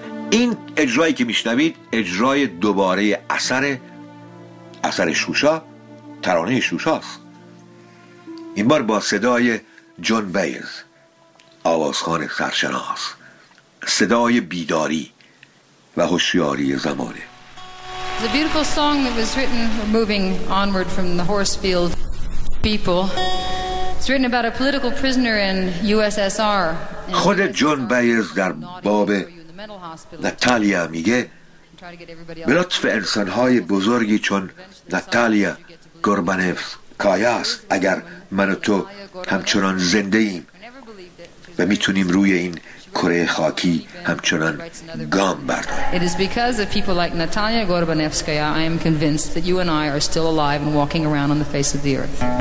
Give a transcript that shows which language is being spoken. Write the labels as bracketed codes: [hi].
[fa] این اجرایی که می شنوید اجرای دوباره اثر شوشا، ترانه شوشاست، این بار با صدای جان بیز، آوازخوان سرشناس، صدای بیداری و هوشیاری زمانه. [en] The beautiful song that was written moving onward from the horse field people. It's written about a political prisoner in USSR. [fa] خود جان بیز در باب ناتالیا میگه به لطف انسان‌های بزرگی چون ناتالیا گوربانفسکایا است، اگر من و تو همچنان زنده ایم و میتونیم روی این کره خاکی همچنان گام برداریم. [en] It is because of people like Natalia Gorbanevskaya I am convinced that you and I are still alive and walking around on the face of the earth.